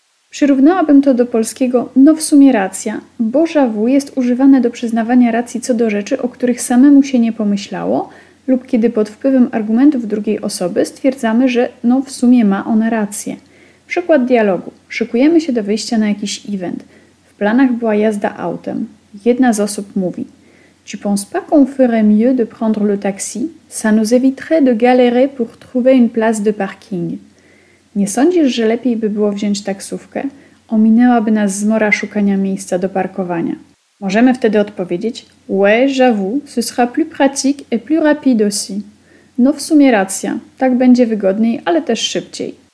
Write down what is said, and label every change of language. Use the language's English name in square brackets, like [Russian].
[Polish] Przyrównałabym to do polskiego no w sumie racja, bo j'avoue jest używane do przyznawania racji co do rzeczy, o których samemu się nie pomyślało lub kiedy pod wpływem argumentów drugiej osoby stwierdzamy, że no w sumie ma ona rację. Przykład dialogu. Szykujemy się do wyjścia na jakiś event. W planach była jazda autem. Jedna z osób mówi: [French] Tu penses pas qu'on ferait mieux de prendre le taxi? Ça nous éviterait de galérer pour trouver une place de parking. [Polish] Nie sądzisz, że lepiej by było wziąć taksówkę? Ominęłaby nas zmora szukania miejsca do parkowania. Możemy wtedy odpowiedzieć: [French] Ouais, j'avoue, ce sera plus pratique et plus rapide aussi. [Polish] No w sumie racja, tak będzie wygodniej, ale też szybciej.